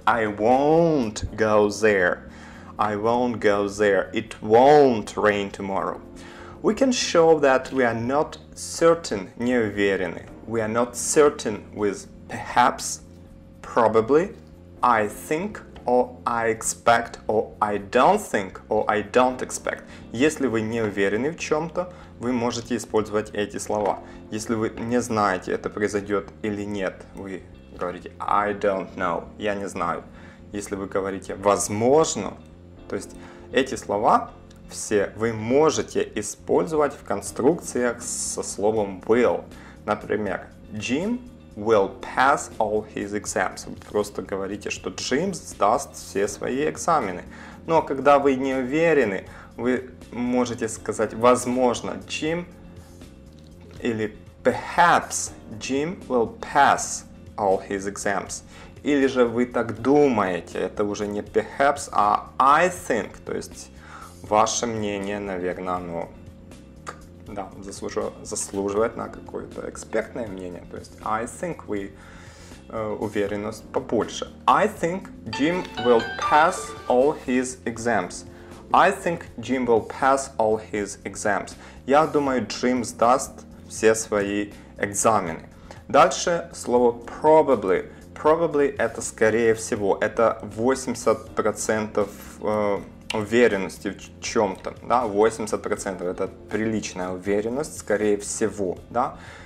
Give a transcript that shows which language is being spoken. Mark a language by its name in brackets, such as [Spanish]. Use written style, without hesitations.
[English] I won't go there, I won't go there, it won't rain tomorrow. We can show that we are not certain, [Russian] не уверены. [English] We are not certain with perhaps, probably, I think, or I expect, or I don't think, or I don't expect. [Russian] Если вы не уверены в чем-то, вы можете использовать эти слова. Если вы не знаете, это произойдет или нет, вы говорите [English] I don't know, [Russian] я не знаю. Если вы говорите возможно, то есть эти слова все вы можете использовать в конструкциях со словом will. [English] Например, Jim will pass all his exams. [Russian] Вы просто говорите, что Jim сдаст все свои экзамены. Но когда вы не уверены, вы можете сказать, возможно, Jim или [English] perhaps Jim will pass all his exams. [Russian] Или же вы так думаете, это уже не perhaps, а I think, то есть ваше мнение, наверное, оно да, заслуживает на какое-то экспертное мнение. То есть, [English] I think we [Russian] уверенность побольше. [English] I think Jim will pass all his exams. I think Jim will pass all his exams. [Russian] Я думаю, Jim сдаст все свои экзамены. Дальше слово probably. Probably это скорее всего. Это 80% уверенности в чем-то, да, 80% это приличная уверенность, скорее всего, да.